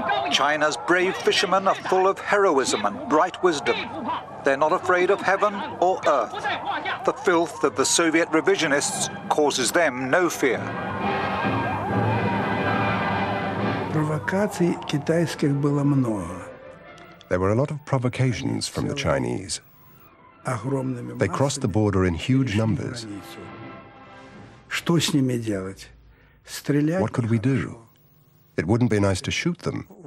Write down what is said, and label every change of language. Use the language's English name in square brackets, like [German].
[English] China's brave fishermen are full of heroism and bright wisdom. They're not afraid of heaven or earth. The filth of the Soviet revisionists causes them no fear. [Russian] Провокаций китайских было много. [English] There were a lot of provocations from the Chinese. They crossed the border in huge numbers. What could we do? It wouldn't be nice to shoot them.